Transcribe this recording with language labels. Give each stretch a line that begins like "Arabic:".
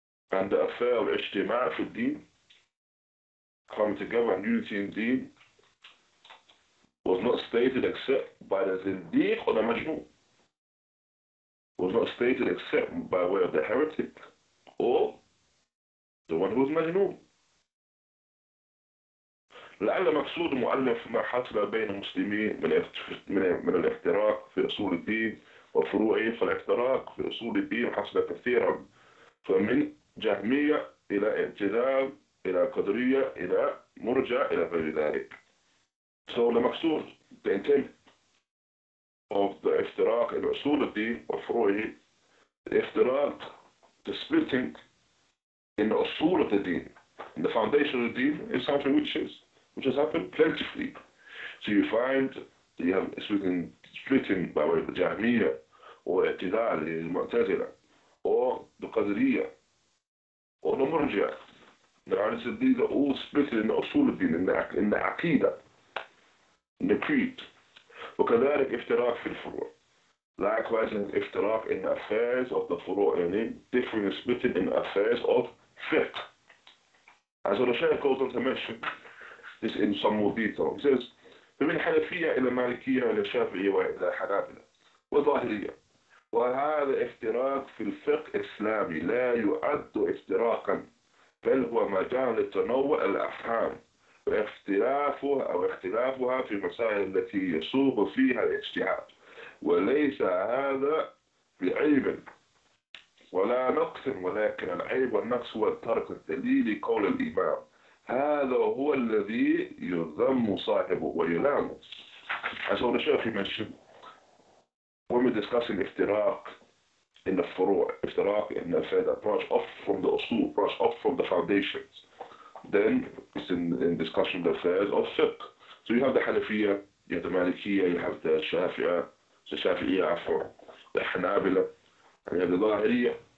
English: And the affair of ijtima' fi al-deen, coming together and unity in deen, was not stated except by the zindiq or the majnun. Was not stated except by way of the heretic or the one who was majnun.
Arabic: لعل مقصود المعلم فيما حصل بين المسلمين من الاختراق في أصول الدين وفروعه فالاختراق في أصول الدين حصل كثيرا فمن جهمية إلى اعتزال إلى قدرية إلى مرجع إلى غير ذلك.
English: So the مقصود, the intent of the اختراق in
Arabic: أصول الدين وفروعه,
English: the اختراق, the splitting in أصول الدين, in the foundation of the deen, is something which has happened plentifully. So you find that you have splitting by way of the Jahmiyyah or i'tidal, al-Mu'tazila, or the Qadiriyya, or the Murji'a. These are all splitting in the Usul al-Din, in the Aqeedah, in the Creed.
Arabic: وكذلك افتراق في الفروع.
English: Likewise, an افتراق in the affairs of the فروع,
Arabic: يعني
English: different splitting in the affairs of fiqh. As the Shaykh goes on to mention, this in some more detail. He says,
Arabic: فمن حنفية إلى مالكية إلى شافعية وإلى حنابلة وظاهرية. وهذا افتراق في الفقه الإسلامي لا يعد افتراقا بل هو مجال للتنوع الأفهام واختلافها أو اختلافها في المسائل التي يصوب فيها الاجتهاد وليس هذا بعيب ولا نقص ولكن العيب والنقص هو الترك الدليل قول الإمام هذا هو الذي يذم صاحبه ويلامه.
English: As the Shaykh mentioned, when we're discussing iftiraq in the furu', iftiraq in the affair that branch off from the usul, branch off from the foundations, then it's in discussion of the affairs of fiqh. So you have the Hanafiyya, you have the Malikiyya, you have the Shafi'a, the Shafi'iyya, the Hanabila, and you have the Zahiriyya.